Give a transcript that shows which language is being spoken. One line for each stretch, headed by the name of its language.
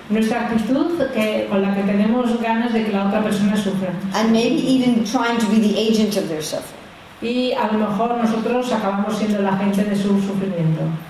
Spanish: Nuestra actitud con la que tenemos ganas de que la otra persona sufra.
English: And maybe even trying to be the agent of their suffering.
Spanish: Y a lo mejor nosotros acabamos siendo la agente de su sufrimiento.